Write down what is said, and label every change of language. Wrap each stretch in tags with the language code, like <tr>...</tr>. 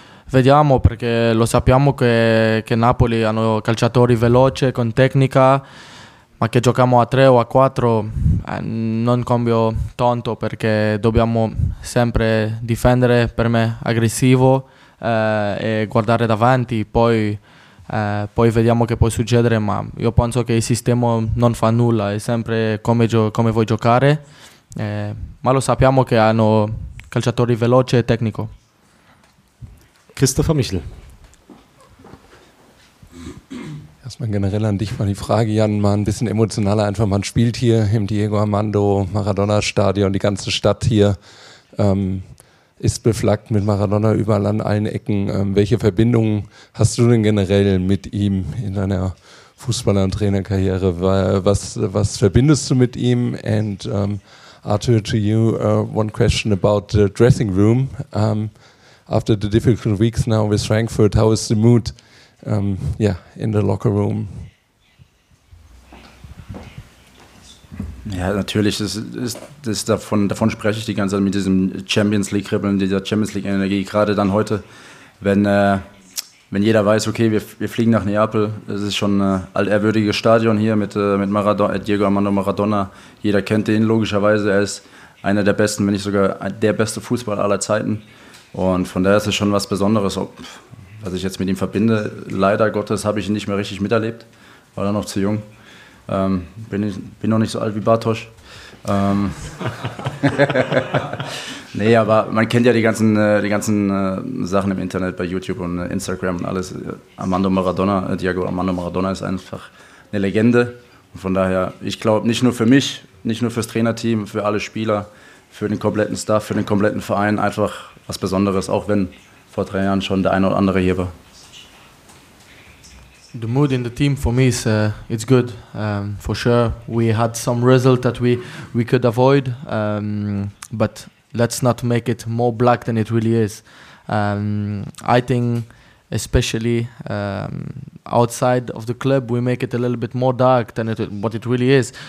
<it>Vediamo, perché lo sappiamo che Napoli hanno calciatori veloci, con tecnica, ma che giochiamo a 3 o a 4 non cambio tanto, perché dobbiamo sempre difendere, per me, aggressivo, e guardare davanti. Poi vediamo che può succedere, ma io penso che il sistema non fa nulla, è sempre come vuoi giocare, ma lo sappiamo che hanno calciatori veloci e tecnico.</it> <de>Christopher Michel. Erstmal generell an dich mal die Frage, Jan, mal ein bisschen emotionaler einfach. Man spielt hier im Diego Armando Maradona Stadion, die ganze Stadt hier ist beflaggt mit Maradona überall an allen Ecken. Welche Verbindungen hast du denn generell mit ihm in deiner Fußballer- und Trainerkarriere? Was verbindest du mit ihm?</de> <en>And Arthur, to you, one question about the dressing room. After the difficult weeks now with Frankfurt, how is the mood in the locker room?</en> <de>Ja, natürlich, davon spreche ich die ganze Zeit, mit diesem Champions League-Kribbeln, dieser Champions League-Energie. Gerade dann heute, wenn jeder weiß, okay, wir fliegen nach Neapel, es ist schon ein altehrwürdiges Stadion hier mit Diego Armando Maradona. Jeder kennt ihn logischerweise, er ist einer der besten, wenn nicht sogar der beste Fußballer aller Zeiten. Und von daher ist es schon was Besonderes, was ich jetzt mit ihm verbinde. Leider Gottes habe ich ihn nicht mehr richtig miterlebt, war dann noch zu jung. Bin noch nicht so alt wie Bartosz. Nee, aber man kennt ja die ganzen Sachen im Internet, bei YouTube und Instagram und alles. Diego Armando Maradona ist einfach eine Legende. Und von daher, ich glaube, nicht nur für mich, nicht nur fürs Trainerteam, für alle Spieler, für den kompletten Staff, für den kompletten Verein, einfach was Besonderes, auch wenn vor 3 Jahren schon der eine oder andere hier war.</de> <en>The mood in the team for me is it's good. For sure, we had some result that we could avoid, but let's not make it more black than it really is. I think, especially outside of the club, we make it a little bit more dark than what it really is.</en>